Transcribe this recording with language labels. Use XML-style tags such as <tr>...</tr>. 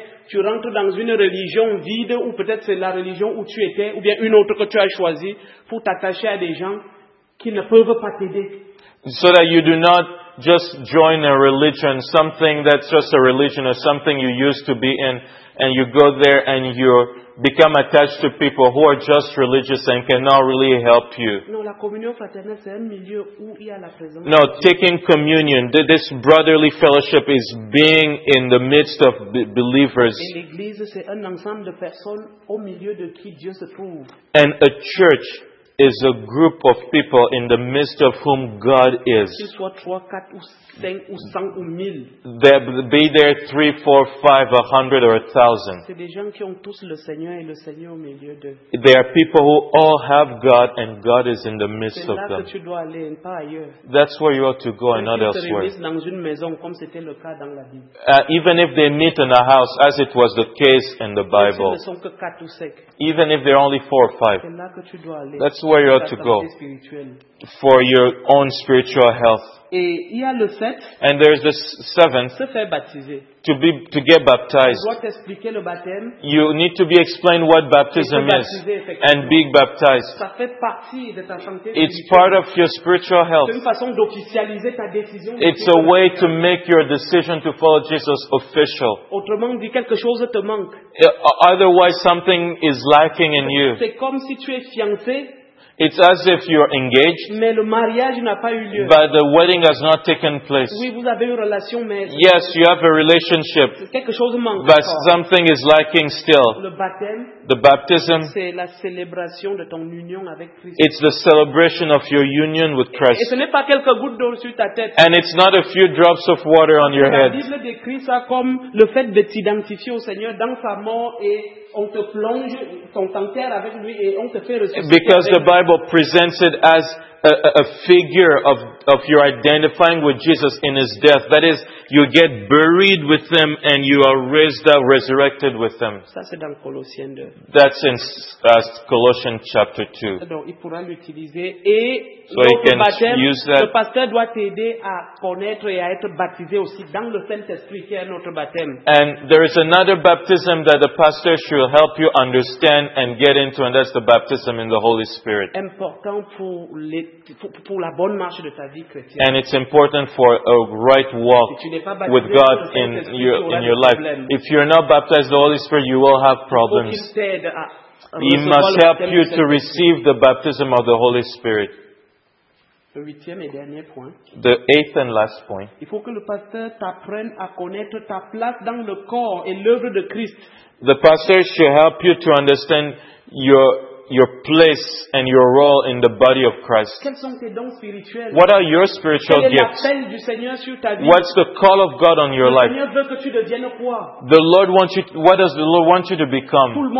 <fr>Tu rentres dans une religion vide, ou peut-être c'est la religion où tu étais, ou bien une autre que tu as choisi, pour t'attacher à des gens qui ne peuvent pas t'aider.</fr> <en>So that you do not just join a religion, something that's just a religion or something you used to be in, and you go there and you become attached to people who are just religious and cannot really help you.</en> <fr>Non, la communion fraternelle, c'est un milieu où il y a la présence.</fr> <en>No, taking communion, this brotherly fellowship is being in the midst of believers.</en> <fr>Et l'église, c'est un ensemble de personnes au milieu de qui Dieu se trouve.</fr> <en>And a church is a group of people in the midst of whom God is.</en> <fr>Qu'il soit 3, 4, ou 5, ou 100, ou 1000.</fr> <en>Be there 3, 4, 5, 100, or 1,000.</en> <fr>C'est des gens qui ont tous le Seigneur et le Seigneur au milieu d'eux.</fr> <en>They are people who all have God and God is in the midst of them.</en> <fr>C'est là que tu dois aller, pas ailleurs.</fr> <en>That's where you ought to go and not elsewhere.</en> <fr>Dans une maison, comme c'était le cas dans la Bible.</fr> <en>Even if they meet in a house, as it was the case in the Bible.</en> <fr>Ne sont que 4 ou 5.</fr> <en>Even if they're only 4 or 5.</en> <fr>C'est là que tu dois aller.</fr> <en>That's where you ought to go for your own spiritual health.</en> <fr>Et il y a le sept,</fr> <en>and there's the seventh,</en> <fr>se faire baptiser,</fr> <en>to get baptized.</en> <fr>Doit expliquer le baptême,</fr> <en>you need to be explained what baptism is and being baptized.</en> <fr>Ça fait partie de ta santé spirituelle.</fr> <en>It's part of your spiritual health.</en> <fr>C'est une façon d'officialiser ta décision.</fr> <en>It's a way to make your decision to follow Jesus official.</en> <fr>Autrement dit, quelque chose te manque.</fr> <en>Otherwise, something is lacking in you.</en> <fr>C'est comme si tu es fiancé.</fr> <en>It's as if you're engaged,</en> <fr>mais le mariage n'a pas eu lieu.</fr> <en>But the wedding has not taken place.</en> <fr>Oui, vous avez une relation, mais</fr> <en>yes, you have a relationship,</en> <fr>quelque chose manque,</fr> <en>but something is lacking still.</en> <fr>Le baptême,</fr> <en>the baptism,</en> <fr>c'est la célébration de ton union avec Christ.</fr> <en>It's the celebration of your union with Christ.</en> <fr>Et ce n'est pas quelques gouttes d'eau sur ta tête.</fr> <en>And it's not a few drops of water on your head.</en> <fr>La Bible décrit ça comme le fait de t'identifier au Seigneur dans sa mort et on te plonge ton terre avec lui et on te fait ressusciter.</fr> <en>Because the Bible presents it as a figure of your identifying with Jesus in his death. That is, you get buried with him and you are raised up, resurrected with him.</en> <fr>Ça, c'est dans Colossiens 2.</fr> <en>That's in Colossians chapter 2.</en> <fr>Donc, il pourra l'utiliser et so donc, can baptême, use that. Le pasteur doit t'aider à connaître et à être baptisé aussi dans le Saint-Esprit qui est notre baptême.</fr> <en>And there is another baptism that the pastor should help you understand and get into, and that's the baptism in the Holy Spirit.</en> <fr>Important pour pour la bonne marche de ta vie chrétienne.</fr> <en>And it's important for a right walk with God in your life. If you're not baptized in the Holy Spirit, you will have problems. He must help you to receive the baptism of the Holy Spirit. The eighth and last point.</en> <fr>Il faut que le pasteur t'apprenne à connaître ta place dans le corps et l'œuvre de Christ.</fr> <en>The pastor should help you to understand your place and your role in the body of Christ. What are your spiritual gifts? What's the call of God on your life? What does the Lord want you to become?</en>